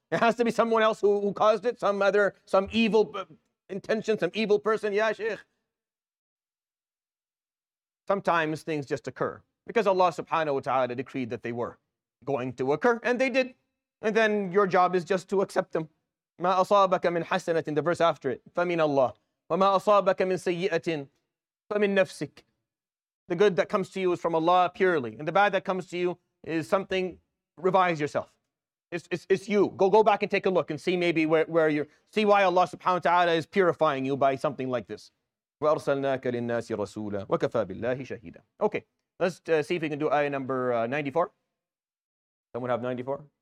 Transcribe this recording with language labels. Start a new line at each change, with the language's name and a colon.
English: It has to be someone else who caused it? Some evil intention, some evil person? Yeah, sheikh. Sometimes things just occur. Because Allah subhanahu wa ta'ala decreed that they were going to occur. And they did. And then your job is just to accept them.
Arabic: مَا أَصَابَكَ مِنْ حَسَنَةٍ,
English: the verse after it,
Arabic: فَمِنَ اللَّهِ وَمَا أَصَابَكَ مِنْ سَيِّئَةٍ فَمِنْ نَفْسِكَ.
English: The good that comes to you is from Allah purely. And the bad that comes to you is something, revise yourself. It's you. Go back and take a look and see maybe where you're, see why Allah subhanahu wa ta'ala is purifying you by something like this.
Arabic: وَأَرْسَلْنَاكَ لِلنَّاسِ رَسُولًا وَكَفَى بِاللَّهِ شَهِيدًا.
English: Okay, let's see if we can do ayah number 94. Someone have 94?